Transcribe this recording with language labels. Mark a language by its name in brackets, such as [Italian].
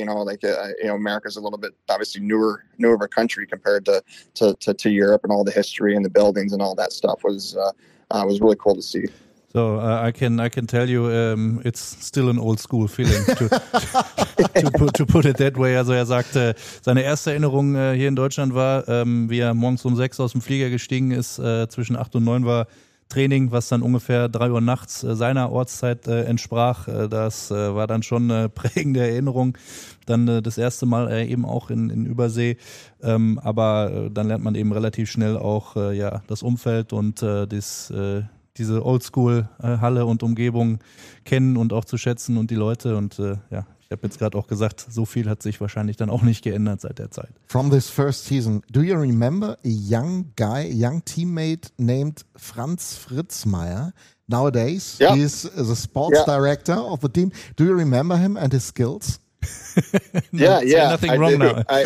[English] America's a little bit obviously newer of a country compared to Europe, and all the history and the buildings and all that stuff was really cool to see. So I can tell you it's still an old school feeling to put it that way. [German] Also er sagte, seine erste Erinnerung hier in Deutschland war, wie er morgens um 6 aus dem Flieger gestiegen ist, zwischen 8 und 9 war Training, was dann ungefähr 3 Uhr nachts seiner Ortszeit entsprach. Das war dann schon eine prägende Erinnerung. Dann das erste Mal eben auch in Übersee. Aber dann lernt man eben relativ schnell auch das Umfeld und diese Oldschool-Halle und Umgebung kennen und auch zu schätzen und die Leute. Und ich habe jetzt gerade auch gesagt, so viel hat sich wahrscheinlich dann auch nicht geändert seit der Zeit. [English] From this first season, do you remember a young guy, young teammate named Franz Fritzmeier? Nowadays, yep. He is the sports director of the team. Do you remember him and his skills? yeah, nothing wrong now.